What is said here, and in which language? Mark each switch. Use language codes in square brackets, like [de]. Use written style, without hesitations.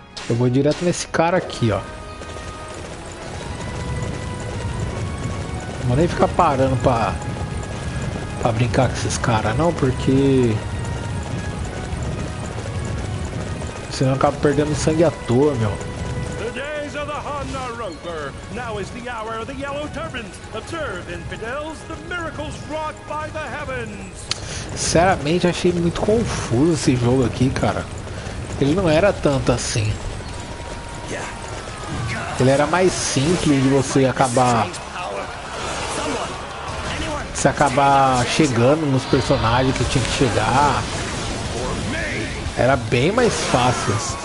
[pt] Eu vou direto nesse cara aqui, ó. Vou nem ficar parando pra brincar com esses caras não, porque senão eu acabo perdendo sangue à toa, meu. [en] The days of the Hun are over. Now is the hour of the yellow turbans. Observe, infidels, the miracles wrought by the heavens. [pt] Sinceramente, achei muito confuso esse jogo aqui, cara. Ele não era tanto assim. Ele era mais simples de você acabar. Se acabar chegando nos personagens que tinha que chegar, era bem mais fácil.